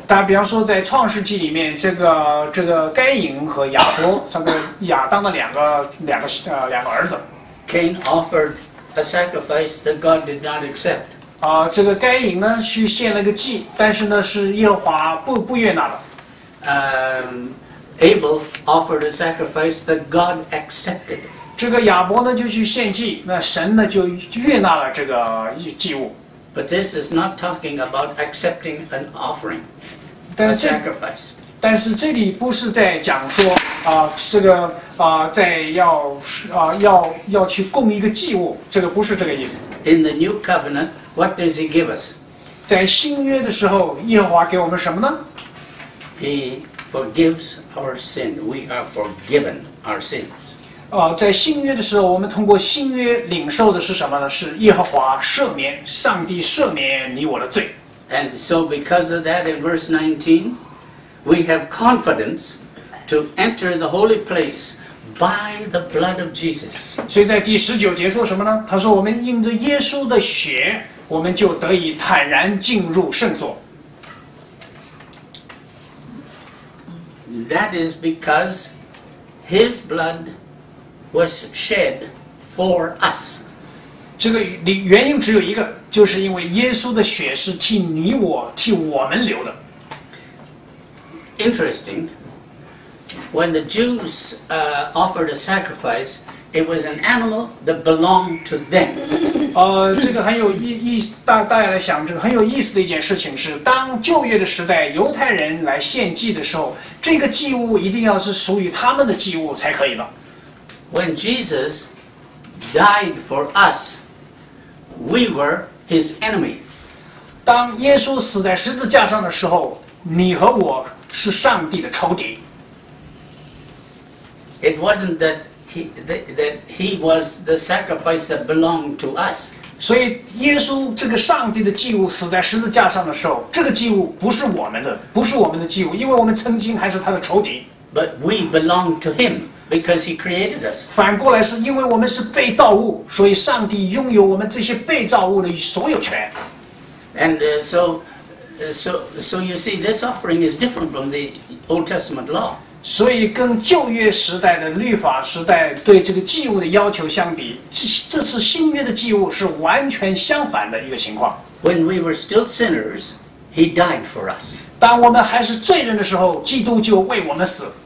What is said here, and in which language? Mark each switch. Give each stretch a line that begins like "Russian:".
Chinese: 大家比方说在创世纪里面，这个该隐和亚伯，这个亚当的两个儿子。
English: Cain offered a sacrifice that God did not accept.
Chinese: 啊，这个该隐呢去献了个祭，但是呢是耶和华不悦纳的。
English: Abel offered a sacrifice that God accepted.
Chinese: 这个亚伯呢就去献祭，那神呢就悦纳了这个祭物。
English: But this is not talking about accepting an offering, a sacrifice.
Chinese: 但是这里不是在讲说啊、这个啊、在要啊、要去供一个祭物，这个不是这个意思。
English: In the new covenant, what does he give us?
Chinese: 在新约的时候，耶和华给我们什么呢
English: ？He forgives our sin. We are forgiven our sins.
Chinese: 啊、在新约的时候，我们通过新约领受的是什么呢？是耶和华赦免，上帝赦免你我的罪。
English: And so because of that, in verse 19. We have confidence to enter the holy place by the blood of Jesus.
Chinese: 所以在第十九节说什么呢？他说我们因着耶稣的血，我们就得以坦然进入圣所。
English: That is because his blood was shed for us.
Chinese: 这个原因只有一个，就是因为耶稣的血是替你我，替我们流的。
English: Interesting, when the Jews offered a sacrifice, it was an animal that belonged to them.
Chinese: 这个很有意思。大家来想，这个很有意思的一件事情是，当旧约的时代犹太人来献祭的时候，这个祭物一定要是属于他们的祭物才可以的。
English: When Jesus died for us, we were his enemy.
Chinese: 当耶稣死在十字架上的时候，你和我。是上帝的仇敌。
English: It wasn't that he was the sacrifice that belonged to us.
Chinese: 所以耶稣这个上帝的祭物死在十字架上的时候，这个祭物不是我们的，不是我们的祭物，因为我们曾经还是他的仇敌。
English: But we belong to him because he created us.
Chinese: 反过来是因为我们是被造物，所以上帝拥有我们这些被造物的所有权。
English: So you see, this offering is different from the Old Testament law.
Chinese: 所以跟旧约时代的律法时代对这个祭物的要求相比，这次新约的祭物是完全相反的一个情况。
English: When we were still sinners, he died for us.
Chinese: 当我们还是罪人的时候，基督就为我们死。